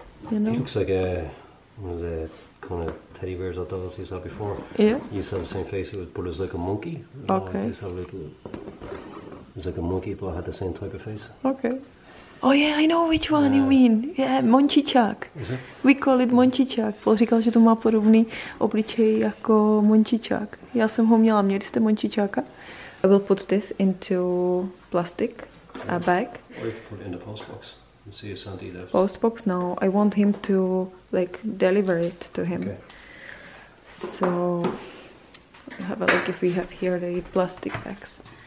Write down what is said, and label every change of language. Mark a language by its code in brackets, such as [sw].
[en] You know? He looks like one of the kind of teddy bears I thought he saw before. Yeah. He used to have the same face, but it was like a monkey. Okay. It was like a monkey, but it had the same type of face. Okay. Oh yeah, I know which one you mean. Yeah, Mončičák. We call it Mončičák. [cs] Paul říkal, že to má podobný obličej jako Mončičák. Já jsem ho měla. Měli jste Mončičáka? [en] I will put this into plastic, a bag. Or you can put it in the postbox. See if Santi left. Postbox? No, I want him to like deliver it to him. Okay. So have a look if we have here the plastic bags.